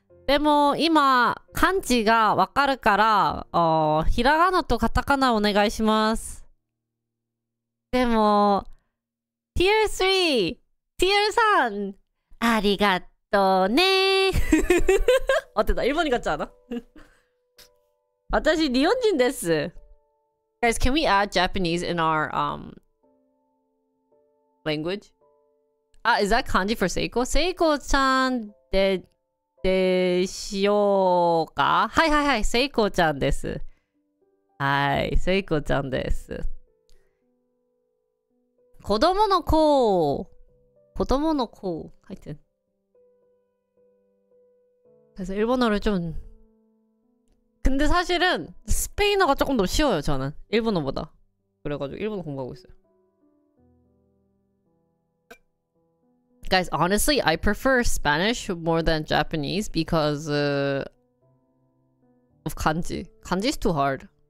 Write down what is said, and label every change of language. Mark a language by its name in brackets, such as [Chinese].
[Japanese] でも、今、漢字がわかるから、ひらがなとカタカナお願いします。でも、 [English] Tier 3! Tier 3! [Japanese] ありがとね。あ、てた、日本に勝っちゃうな。私日本人です。 [English] Guys, can we add Japanese in our language? Ah, is that kanji for Seiko? Seiko-chan [Japanese] でしょうか？はいはいはい、Seiko-chan です。はい、Seiko-chan です。子供の子、子供の子、はい。 [Korean] 그래서일본어를좀근데사실은스페인어가조금더쉬워요저는일본어보다그래가지고일본어공부하고있어요 [English] Guys, honestly, I prefer Spanish more than Japanese because of kanji. Kanji is too hard.